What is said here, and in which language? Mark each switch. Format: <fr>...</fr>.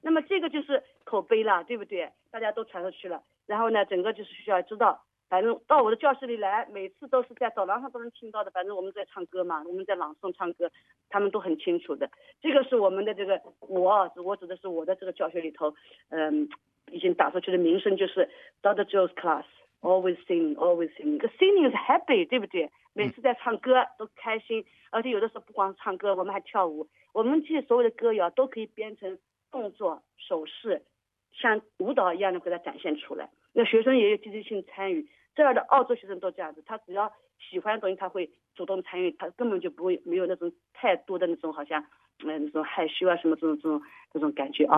<zh>那么这个就是口碑了，对不对？大家都传出去了，然后呢整个就是学校知道，反正到我的教室里来，每次都是在走廊上都能听到的，反正我们在唱歌嘛，我们在朗诵唱歌，他们都很清楚的。这个是我们的这个，我指的是我的这个教学里头，已经打出去的名声，就是 Dr.</zh> <en>Joe's class always sing, always sing. The singing is happy,</en> <zh>对不对？每次在唱歌都开心，而且有的时候不光唱歌，我们还跳舞。我们其实所有的歌谣都可以编成动作、手势，像舞蹈一样的给它展现出来。那学生也有积极性参与，这样的澳洲学生都这样子，他只要喜欢的东西他会主动参与，他根本就不会没有那种太多的那种好像那种害羞啊什么这种感觉啊。</zh>